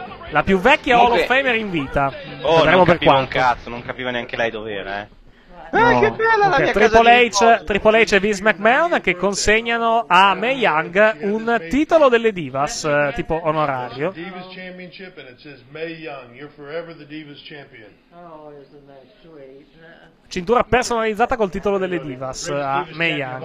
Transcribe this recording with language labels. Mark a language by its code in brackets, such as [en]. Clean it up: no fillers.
[it] La più vecchia Hall of Famer in vita. Oh, non per un cazzo, non capiva neanche lei dov'era, No. Che bella, okay, la mia casa. Triple H e Vince McMahon che consegnano a Mae Young un titolo delle Divas, tipo onorario. [en] Divas Championship, and it says Mae Young, you're forever the Divas Champion. [it] Cintura personalizzata col titolo delle Divas a Mae Young.